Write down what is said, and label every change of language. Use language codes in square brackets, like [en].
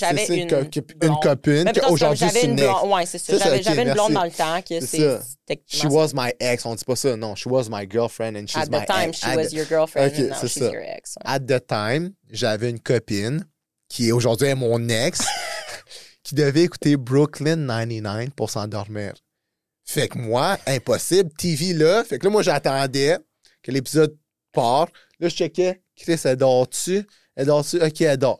[fr] une copine que aujourd'hui c'est une blonde. Ouais, c'est ça. J'avais une blonde dans le temps que c'est [en] she was my ex, [fr] on dit pas ça, non, [en] she was my girlfriend and she's my ex. At the time she was your girlfriend and now she's your ex. At the time, [fr] j'avais une copine qui aujourd'hui est mon ex qui devait écouter Brooklyn 99 pour s'endormir. Fait que moi, impossible, TV là, fait que là moi j'attendais que l'épisode part. Là je checkais, Chris elle dort-tu? Elle dort sur, OK, elle dort.